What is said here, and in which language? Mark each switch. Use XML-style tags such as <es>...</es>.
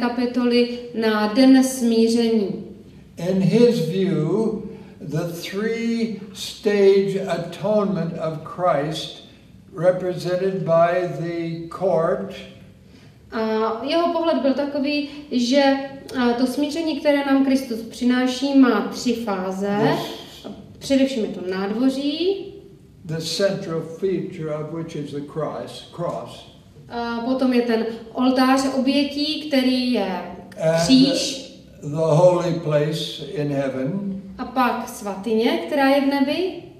<cs>kapitoly na den smíření.</cs> <en>In his view, the three-stage atonement of Christ represented by the court.</en> <cs>A jeho pohled byl takový, že to smíření, které nám Kristus přináší, má tři fáze. Především je to nádvoří.</cs> <en>The central feature of which is the cross.</en> <cs>A potom je ten oltář obětí, který je kříž.</cs> <en>The holy place in heaven.</en> <cs>A pak svatyně, která je v nebi.</cs>